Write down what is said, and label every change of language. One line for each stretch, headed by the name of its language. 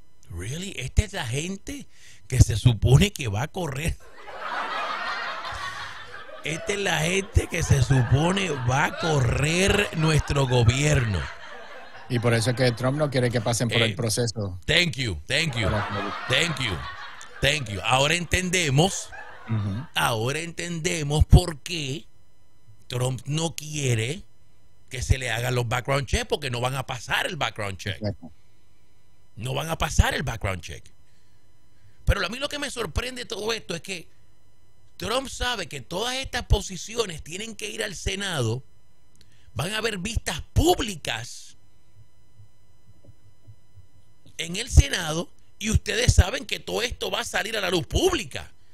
Spanish: ¿Really? ¿Esta es la gente que se supone que va a correr? Esta es la gente que se supone va a correr nuestro gobierno. Y por eso es que Trump no quiere que pasen por el proceso.
English: Thank you, thank you, thank you, thank you.
Spanish: Ahora entendemos, ahora entendemos por qué Trump no quiere que se le hagan los background checks, porque no van a pasar el background check. No van a pasar el background check. Pero a mí lo que me sorprende de todo esto es que Trump sabe que todas estas posiciones tienen que ir al Senado, van a haber vistas públicas en el Senado, y ustedes saben que todo esto va a salir a la luz pública.